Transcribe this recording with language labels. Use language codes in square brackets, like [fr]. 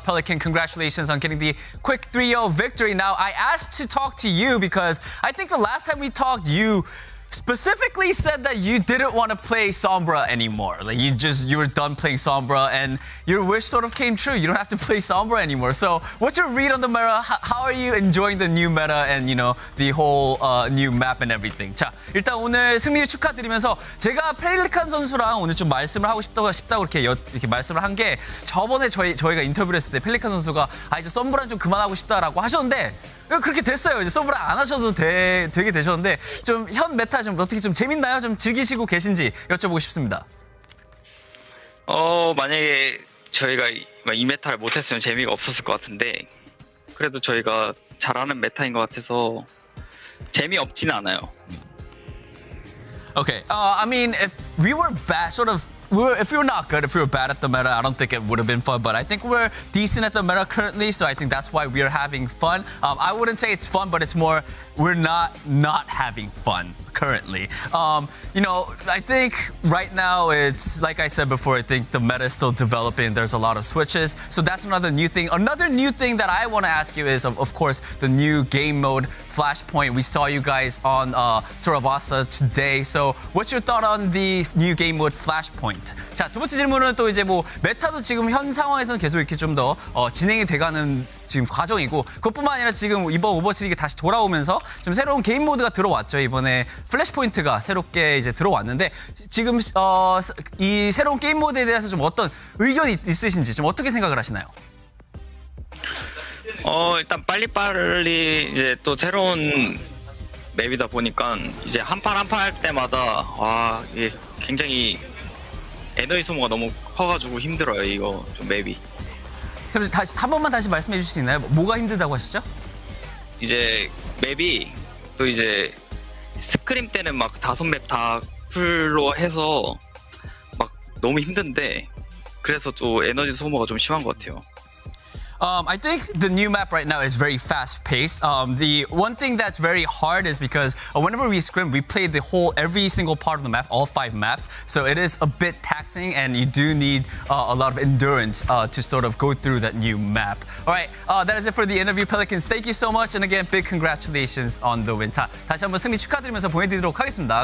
[en] Pelican, congratulations on getting the quick 3-0 victory. Now, I asked to talk to you because I think the last time we talked, you specifically said that you didn't want to play Sombra anymore. Like you were done playing Sombra, and your wish sort of came true. You don't have to play Sombra anymore. So what's your read on the meta? How are you enjoying the new meta and, you know, the whole new map and everything? [ko] 자, 일단 오늘 승리를 축하드리면서 제가 펠리칸 선수랑 오늘 좀 말씀을 하고 싶다고 이렇게 말씀을 한 게 저번에 저희가 인터뷰를 했을 때 펠리칸 선수가 아 이제 Sombra는 좀 그만하고 싶다라고 하셨는데 그렇게 됐어요. 이제 서브라 안 하셔도 되게 되셨는데 좀 현 메타 좀 어떻게 좀 재밌나요? 좀 즐기시고 계신지 여쭤보고 싶습니다. 만약에 저희가 이 메타를 못했으면 재미가 없었을 것 같은데 그래도 저희가 잘하는 메타인 것 같아서 재미 없진 않아요. [en] Okay. I mean, if we were bad, sort of. If we were not good, if we were bad at the meta, I don't think it would have been fun. But I think we're decent at the meta currently, so I think that's why we are having fun. I wouldn't say it's fun, but it's more we're not having fun currently. You know, I think right now it's, like I said before, I think the meta is still developing. There's a lot of switches. So that's another new thing. Another new thing that I want to ask you is, of course, the new game mode Flashpoint. We saw you guys on Suravasa today. So what's your thought on the new game mode Flashpoint? [ko] 자, 두 번째 질문은 또 이제 뭐 메타도 지금 현 상황에서는 계속 이렇게 좀 더 진행이 돼가는 지금 과정이고 그것뿐만 아니라 지금 이번 오버워치 리그 다시 돌아오면서 좀 새로운 게임 모드가 들어왔죠. 이번에 플래시포인트가 새롭게 이제 들어왔는데 지금 이 새로운 게임 모드에 대해서 좀 어떤 의견이 있으신지 좀 어떻게 생각을 하시나요? 일단 빨리빨리 이제 또 새로운 맵이다 보니까 이제 한 판 한 판 할 때마다 와 이게 굉장히 에너지 소모가 너무 커가지고 힘들어요. 이거 좀 맵이. 그럼 다시 한 번만 다시 말씀해 주실 수 있나요? 뭐가 힘들다고 하셨죠? 이제 맵이 또 이제 스크림 때는 막 다섯 맵 다 풀로 해서 막 너무 힘든데 그래서 또 에너지 소모가 좀 심한 것 같아요. [en] I think the new map right now is very fast-paced. The one thing that's very hard is because whenever we scrim, we play the whole, every single part of the map, all five maps. So it is a bit taxing and you do need a lot of endurance to sort of go through that new map. All right, that is it for the interview, Pelicans. Thank you so much. And again, big congratulations on the win. [ko] 다시 한번 승리 축하드리면서 보내드리도록 하겠습니다.